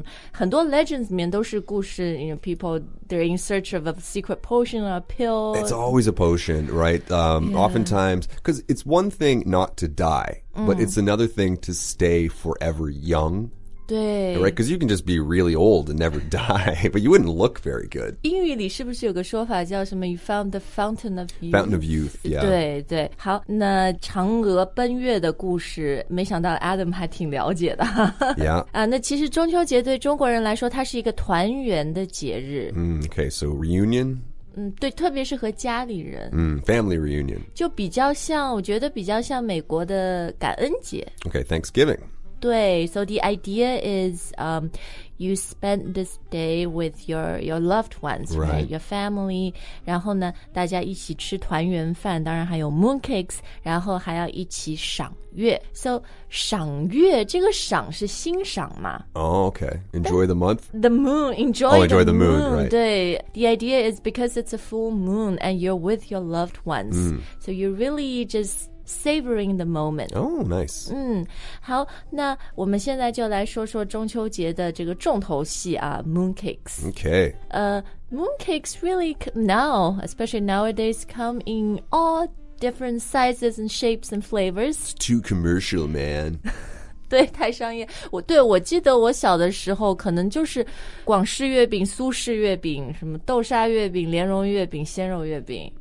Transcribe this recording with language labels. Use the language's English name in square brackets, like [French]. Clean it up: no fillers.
[Chinese] 很多 [English] legends [Chinese] 里面都是故事 [English] you know, people, they're in search of a secret potion or a pill. It's always a potion, right? Oftentimes, because it's one thing not to die, but it's another thing to stay forever young. [Chinese] 对 [English] right, because you can just be really old and never die, but you wouldn't look very good. [Chinese] 英语里是不是有个说法叫什么 [English] you found the fountain of youth? Fountain of youth, yeah. [Chinese] 对对好那嫦娥奔月的故事没想到 Adam 还挺了解的。 [English] yeah. [Chinese] 那其实中秋节对中国人来说它是一个团圆的节日。 [English] Okay, so reunion? [Chinese] 对特别是和家里人。 [English] Family reunion. [Chinese] 就比较像我觉得比较像美国的感恩节。 [English] Okay, Thanksgiving. 对 so the idea is, you spend this day with your loved ones, right? Your family. [Chinese] 然后呢，大家一起吃团圆饭，当然还有 moon cakes. 然后还要一起赏月。 So 赏月，这个赏是欣赏嘛 [English] ？Oh, okay. Enjoy the month. The moon. Enjoy. Oh, enjoy the moon. Moon. Right. 对 the idea is because it's a full moon and you're with your loved ones,so you really just. Savoring the moment. Oh, nice. [Chinese] 好，那我们现在就来说说中秋节的这个重头戏啊 ，mooncakes. [English] Okay. Mooncakes really now, especially nowadays, come in all different sizes and shapes and flavors. It's too commercial, man. [Chinese] 对，太商业。我记得我小的时候，可能就是广式月饼、苏式月饼、什么豆沙月饼、莲蓉月饼、鲜肉月饼。